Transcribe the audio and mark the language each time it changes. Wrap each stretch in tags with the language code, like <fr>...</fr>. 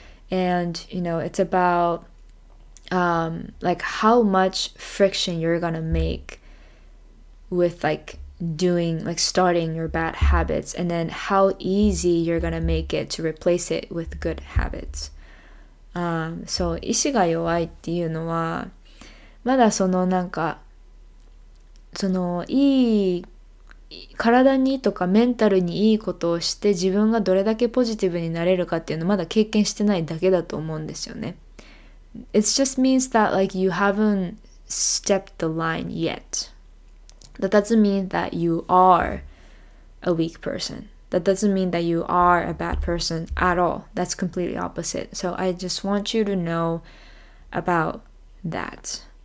<en>And, you know, it's about, like, how much friction you're gonna make with, like, doing, like, starting your bad habits, and then how easy you're gonna make it to replace it with good habits.</en> <ja>So 意志が弱いっていうのは、まだそのなんか、そのいい体にとかメンタルにいいことをして自分がどれだけポジティブになれるかっていうのをまだ経験してないだけだと思うんですよね。</ja> <en>It just means that, like, you haven't stepped the line yet. That doesn't mean that you are a weak person. That doesn't mean that you are a bad person at all. That's completely opposite. So I just want you to know about that.</en>